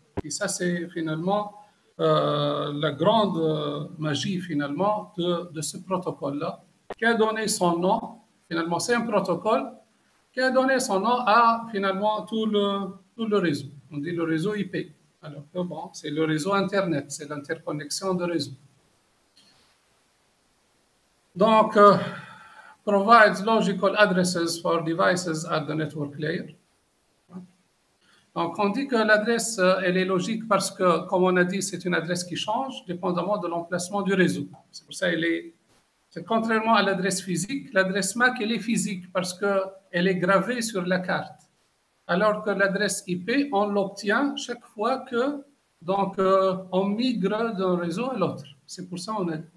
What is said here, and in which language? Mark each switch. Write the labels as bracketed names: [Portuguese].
[French] Et ça, c'est finalement la grande magie finalement de ce protocole-là, qui a donné son nom, finalement c'est un protocole, qui a donné son nom à finalement tout le réseau. On dit le réseau IP. Alors que bon, c'est le réseau Internet, c'est l'interconnexion de réseau. [English] Donc, provides logical addresses for devices at the network layer. [French] Donc, on dit que l'adresse, elle est logique parce que, comme on a dit, c'est une adresse qui change dépendamment de l'emplacement du réseau. C'est pour ça qu'elle est... C'est contrairement à l'adresse physique, l'adresse MAC, elle est physique parce qu'elle est gravée sur la carte. Alors que l'adresse IP, on l'obtient chaque fois que, donc, on migre d'un réseau à l'autre. C'est pour ça qu'on a...